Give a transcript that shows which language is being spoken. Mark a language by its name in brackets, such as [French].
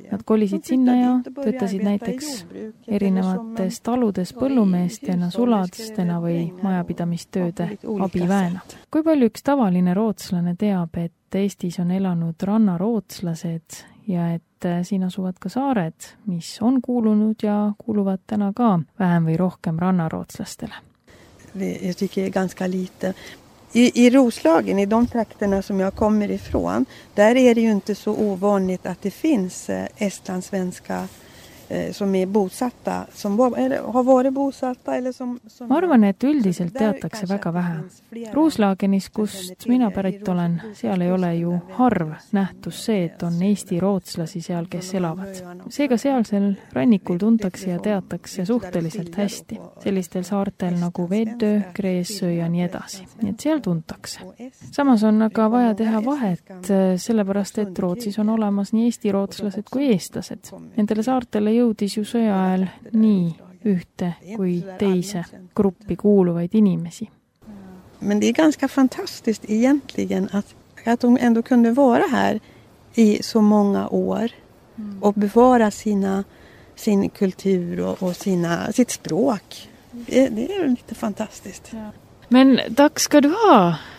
[Estonian] Nad kolisid sinna ja töötasid näiteks erinevates taludes põllumeestena, sulatstena või majapidamistööde abiväena. Kui palju üks tavaline rootslane teab, et Eestis on elanud rannarootslased ja et siin asuvad ka saared, mis on kuulunud ja kuuluvad täna ka vähem või rohkem rannarootslastele. [Swedish] Jag tycker det är ganska lite. I Roslagen, i de trakterna som jag kommer ifrån, där är det ju inte så ovanligt att det finns estlandssvenska som är bosatta, som har varit bosatta eller som [Estonian] ma arvan, et üldiselt teatakse väga vähe. Ruuslaagenis, kust mina pärit olen, seal ei ole ju harv nähtus see, et on Eesti rootslasi seal, kes elavad. Seega sealsel rannikul tuntakse ja teatakse suhteliselt hästi. Sellistel saartel nagu Veddö, Kreesö ja nii edasi. Nii et seal tuntakse. Samas on aga vaja teha vahet, sellepärast, et Rootsis on olemas nii Eesti rootslased kui eestlased. Nendele saartel jõudis ju sõja ajal nii ühte kui teise gruppi kuuluvaid inimesi. [Swedish] Men det är ganska fantastiskt egentligen att de ändå kunde vara här i så många år och bevara sin kultur och sitt språk. Det är lite fantastiskt. Men tack ska du ha.